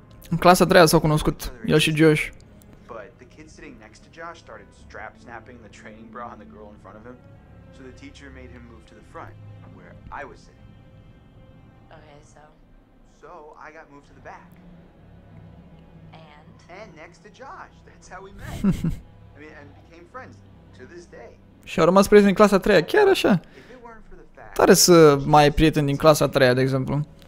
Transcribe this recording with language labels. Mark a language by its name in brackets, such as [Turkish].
[Romanian] În clasa a treia s-au cunoscut, el și Josh. [English] But the kid sitting next to Josh started strap snapping the training bra on the girl in front of him. So the teacher made him move to the front. I was sitting. Okay, so? So, I got moved to the back. And? And next to Josh. That's how we met. I mean, and became friends to this day. [Romanian] Și-au rămas prieteni din clasa a treia, chiar așa? Tare să mai ai prieteni din clasa a treia, de exemplu.